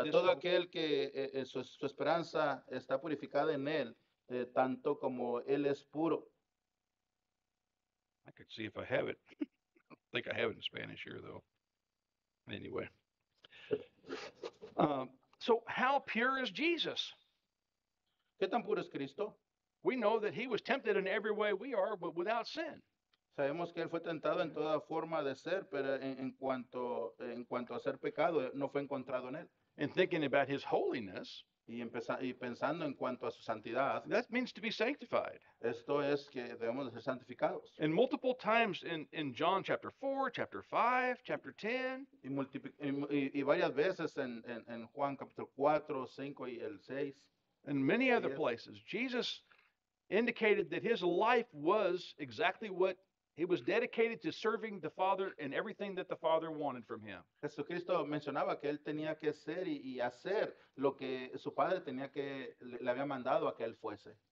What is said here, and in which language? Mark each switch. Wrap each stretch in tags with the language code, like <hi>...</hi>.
<es>Todo aquel que su esperanza está purificada en él, tanto como él es puro.</es> <en>I could see if I have it. I think I have it in Spanish here, though. Anyway. So how pure is Jesus?</en> <es>¿Qué tan puro es Cristo?</es> <en>We know that he was tempted in every way we are, but without sin.</en> <es>Sabemos que él fue tentado en toda forma de ser, pero en cuanto a ser pecado, no fue encontrado en él.</es> <en>And thinking about his holiness.</en> <es>Y pensando en cuanto a su santidad.</es> <en>That means to be sanctified.</en> <es>Esto es que debemos de ser santificados.</es> <en>And multiple times in John chapter 4, chapter 5, chapter 10.</en> <es>Y varias veces en Juan capítulo 4, 5 y el 6.</es> <en>And many other places. Jesus indicated that his life was exactly what he was dedicated to serving the Father and everything that the Father wanted from him.</en> <es>Jesucristo mencionaba que él tenía que ser y hacer lo que su Padre tenía que le había mandado a que él fuese.</es>